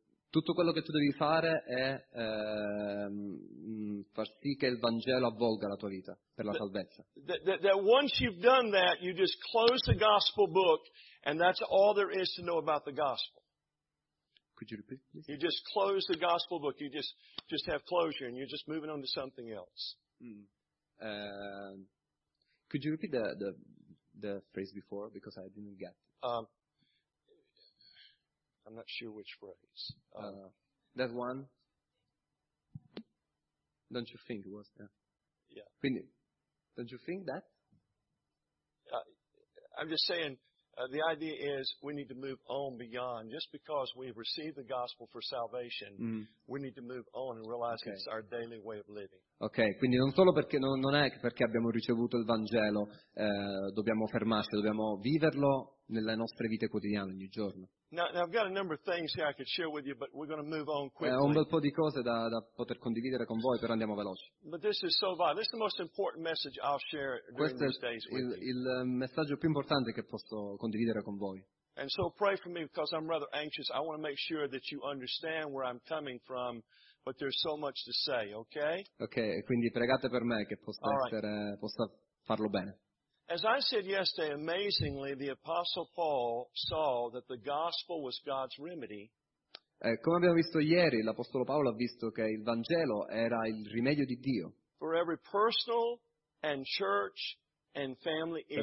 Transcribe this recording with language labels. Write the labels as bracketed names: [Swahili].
[Italian] Tutto quello che tu devi fare è far sì che il Vangelo avvolga la tua vita per la salvezza. [English] That once you've done that, you just close the gospel book and that's all there is to know about the gospel. Could you repeat, please? You just close the gospel book. You just have closure and you're just moving on to something else. Could you repeat the phrase before, because I didn't get it. I'm not sure which phrase. That one, don't you think it was there? Yeah. Quindi, don't you think that? I'm just saying, the idea is we need to move on beyond. Just because we've received the gospel for salvation, we need to move on and realize it's our daily way of living. [Italian] Ok, quindi non solo perché non è perché abbiamo ricevuto il Vangelo, dobbiamo fermarci, dobbiamo viverlo nelle nostre vite quotidiane, ogni giorno. [English] Now I've got a number of things here I could share with you, but we're going to move on quickly. [Italian] Ho un bel po' di cose da poter condividere con voi, però andiamo veloci. [English] But this is so vital. This is the most important message I'll share during these days with you. [Italian] Il messaggio più importante che posso condividere con voi. [English] And so pray for me because I'm rather anxious. I want to make sure that you understand where I'm coming from, but there's so much to say, okay? [Italian] Okay, quindi pregate per me che possa possa farlo bene. [English] As I said yesterday, amazingly, the Apostle Paul saw that the gospel was God's remedy. [Italian] Come abbiamo visto ieri, l'Apostolo Paolo ha visto che il Vangelo era il rimedio di Dio. [English] For every personal and church and family issue.